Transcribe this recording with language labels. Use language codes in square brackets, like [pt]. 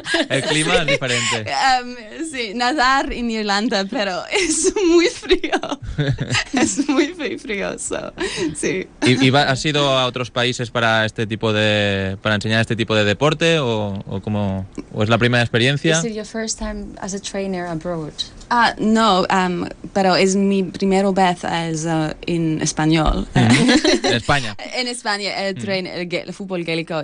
[es] El clima sí. Es diferente. Sí, nadar en Irlanda, pero es muy frío. Es muy, muy frío, so, sí. ¿Y has ido a otros países para este tipo de, para enseñar este tipo de deporte o como, o es la primera experiencia? [en] Is it your first time as a trainer abroad? [es] No, pero es mi primera vez en español. En España. En España, el fútbol gaélico.